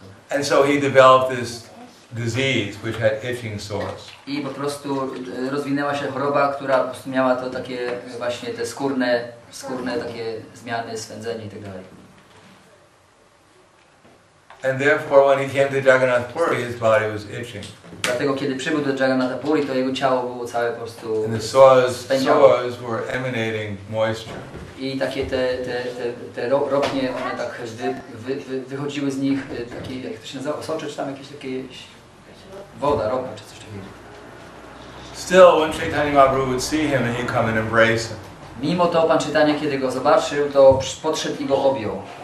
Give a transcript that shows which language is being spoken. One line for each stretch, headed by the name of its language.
English: And so he developed this disease which had itching sores.
Polish: I po prostu rozwinęła się choroba, która po prostu miała to takie właśnie te skórne takie zmiany, swędzenie i tak dalej.
English: And therefore when he came to Jagannath Puri his body was itching.
Polish: Dlatego kiedy przybył do Jagannath Puri, to jego ciało było całe po prostu.
English: And the sores were emanating moisture.
Polish: I takie te ropnie, one tak wychodziły z nich takie, jak to się nazywa, soczy czy tam jakieś takie woda, ropa czy coś takiego.
English: Still when Chaitanya Mahaprabhu would see him and he'd come and embrace him.
Polish: Mimo to pan Chaitanya, kiedy go zobaczył, to podszedł i go objął.